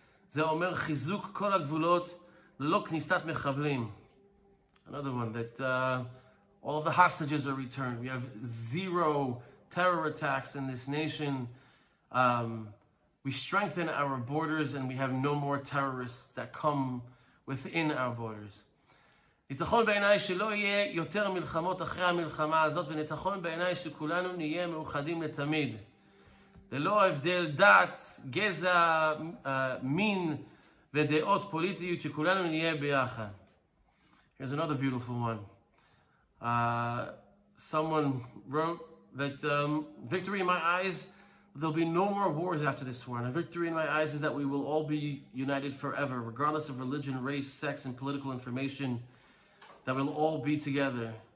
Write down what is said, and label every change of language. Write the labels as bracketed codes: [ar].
[he] Ze omer chizuk kol hagvulot lo knisat mechablim. [en] Another one, that all of the hostages are returned. We have zero terror attacks in this nation. We strengthen our borders and we have no more terrorists that come within our borders. [he] ניצחון בעיניי שלא יהיה יותר מלחמות אחרי המלחמה הזאת, וניצחון בעיניי שכולנו נהיה מאוחדים לתמיד. ללא הבדל דת, גזע, מין ודעות פוליטיות, שכולנו נהיה ביחד. [en] Here's another beautiful one. Someone wrote that victory in my eyes, there'll be no more wars after this war. And a victory in my eyes is that we will all be united forever, regardless of religion, race, sex, and political information, that we'll all be together.